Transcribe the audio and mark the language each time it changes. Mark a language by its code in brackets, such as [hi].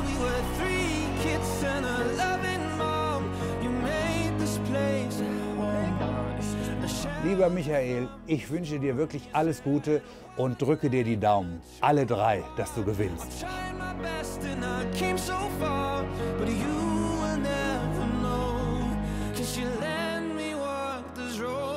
[en] We were three kids and a loving mom. You made this place a home. [de] Lieber Michael, ich wünsche dir wirklich alles Gute und drücke dir die Daumen, alle drei, dass du gewinnst. [en] I tried my best and I came so far, but you will never know, 'cause you let me walk this road.